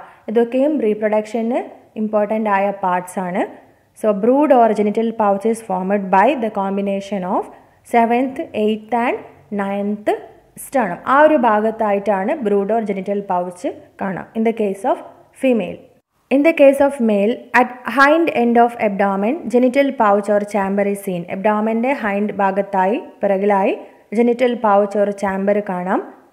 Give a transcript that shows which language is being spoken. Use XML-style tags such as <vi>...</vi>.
<ml>ഇതൊക്കെയും reproduction important ആയ parts ആണ്.</ml> <en>So brood or genital pouch is formed by the combination of 7th, 8th and 9th sternum.</en> <ml>ആ ഒരു ഭാഗത്തായിട്ടാണ്</ml> <en>Brood or genital pouch കാണാം, in the case of female. In the case of male, at hind end of abdomen genital pouch or chamber is seen.</en> <ml>എബ്ഡോമൻ്റെ hind ഭാഗത്തായി, പിറകിലായി genital pouch or chamber കാണാം.</ml>